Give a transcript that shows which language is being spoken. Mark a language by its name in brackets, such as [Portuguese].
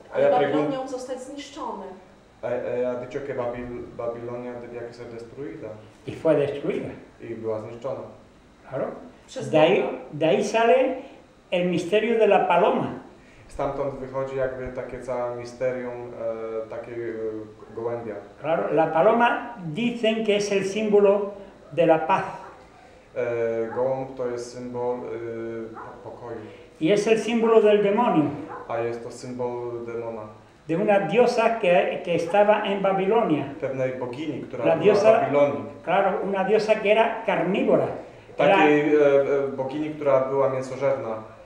[Polish] Babilonią zostać zniszczony. [Spanish] Ha dicho que Babilonia debía que ser destruida. Y fue destruida. [Polish] I była zniszczona. [Spanish] Claro. De ahí sale el misterio de la paloma. [Polish] Stamtąd wychodzi jakby takie całe misterium, takie gołębia. [Spanish] Claro, la paloma dicen que es el símbolo de la paz. [Polish] Gołąb to jest symbol pokoju. [Spanish] Y es el símbolo del demonio. [Polish] A jest to symbol demona. [Spanish] De una diosa que estaba en Babilonia. [Polish] Pewnej bogini, która [Spanish] la diosa, [Polish] była w Babilonii. [Spanish] Claro, una diosa que era carnívora. [Polish] Takiej bogini, która była mięsożerna.